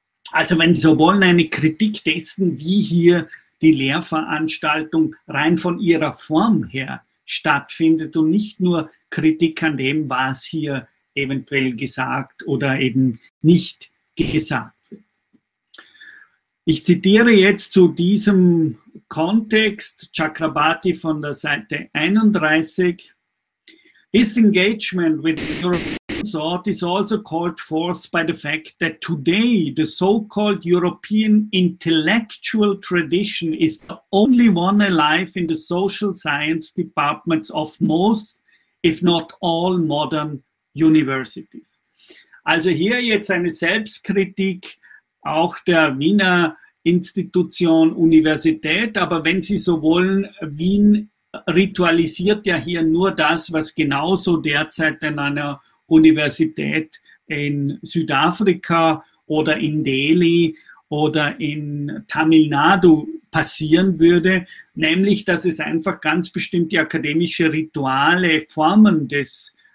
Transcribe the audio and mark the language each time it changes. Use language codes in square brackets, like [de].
[de] Also wenn Sie so wollen, eine Kritik dessen, wie hier die Lehrveranstaltung rein von ihrer Form her stattfindet und nicht nur Kritik an dem, was hier eventuell gesagt oder eben nicht gesagt wird. Ich zitiere jetzt zu diesem Kontext Chakrabarti von der Seite 31. [en] His engagement with European thought is also called forth by the fact that today the so-called European intellectual tradition is the only one alive in the social science departments of most, if not all, modern universities. [de] Also hier jetzt eine Selbstkritik auch der Wiener Institution Universität, aber wenn Sie so wollen, Wien ritualisiert ja hier nur das, was genauso derzeit an einer Universität in Südafrika oder in Delhi oder in Tamil Nadu passieren würde, nämlich dass es einfach ganz bestimmte akademische Rituale, Formen des